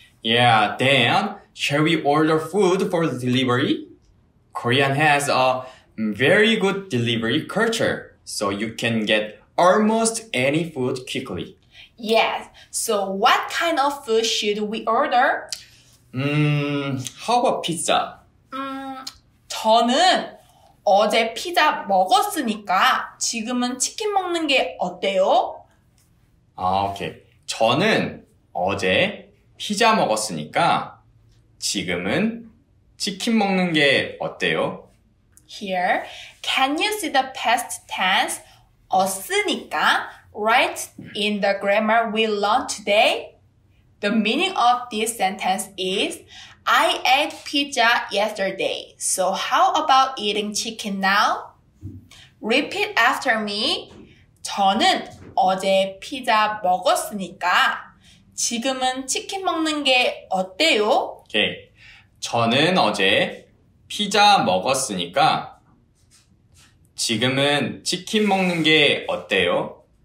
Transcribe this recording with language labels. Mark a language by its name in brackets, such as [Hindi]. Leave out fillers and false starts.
[English] Yeah, then shall we order food for delivery? Korean has a very good delivery culture, so you can get almost any food quickly. Yes, so what kind of food should we order? How about pizza? [Korean] 저는 어제 피자 먹었으니까 지금은 치킨 먹는 게 어때요? 아, 오케이. 저는 어제 피자 먹었으니까 지금은 치킨 먹는 게 어때요? [English] Here, can you see the past tense 었으니까 right in the grammar we learned today? The meaning of this sentence is I ate pizza yesterday, so how about eating chicken now? Repeat after me. [Korean] 저는 어제 피자 먹었으니까 지금은 치킨 먹는 게 어때요? [English] Okay. [Korean] 저는 어제 피자 먹었으니까 지금은 치킨 먹는 게 어때요?